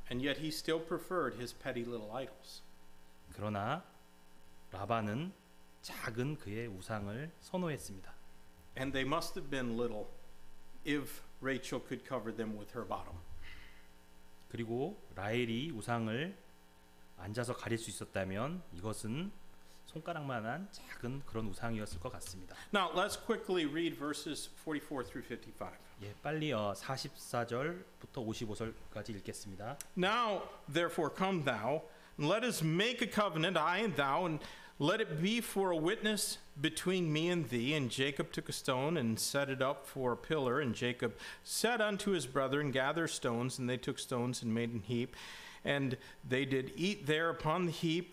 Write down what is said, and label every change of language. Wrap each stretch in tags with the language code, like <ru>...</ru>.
<en>And yet he still preferred his petty little idols.</en> <ko>그러나 라반은 작은 그의 우상을 선호했습니다.</ko> <en>And they must have been little if Rachel could cover them with her bottom.</en> <ko>그리고 라헬이 우상을 앉아서 가릴 수 있었다면 이것은 손가락만한 작은 그런 우상이었을 것 같습니다.</ko> <en>Now let's quickly read verses 44 through 55.</en> <ko>예, 빨리 44절부터 55절까지 읽겠습니다.</ko> <en>Now therefore come thou, and let us make a covenant, I and thou, and let it be for a witness between me and thee. And Jacob took a stone and set it up for a pillar. And Jacob said unto his brethren, Gather stones. And they took stones and made an heap. And they did eat there upon the heap.</en>